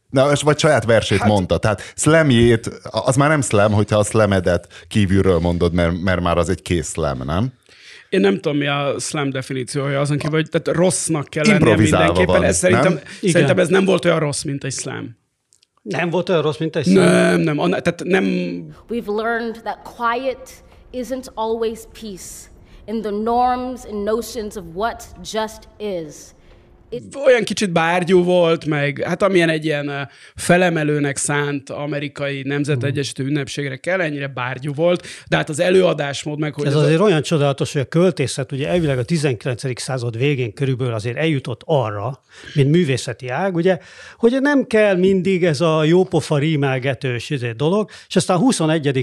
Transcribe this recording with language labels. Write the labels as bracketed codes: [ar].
[hu] Na, vagy saját versét mondta. Tehát slamjét, az már nem slam, hogyha a slamedet kívülről mondod, mert már az egy kész slam, nem? Én nem tudom, mi a slam definíciója azon kívül, hogy tehát rossznak kell lennie mindenképpen. Van, ez szerintem ez nem volt olyan rossz, mint egy slam. Nem volt olyan rossz, mint egy slam? Nem. Tehát nem... [en] We've learned that quiet isn't always peace in the norms and notions of what just is. [hu] Olyan kicsit bárgyú volt, meg hát amilyen egy ilyen felemelőnek szánt amerikai nemzetegyesítő ünnepségre kell, ennyire bárgyú volt, de hát az előadásmód meg... Ez azért olyan csodálatos, hogy a költészet ugye elvileg a 19. század végén körülbelül azért eljutott arra, mint művészeti ág, ugye, hogy nem kell mindig ez a jópofa rímelgetős dolog, és aztán a 21.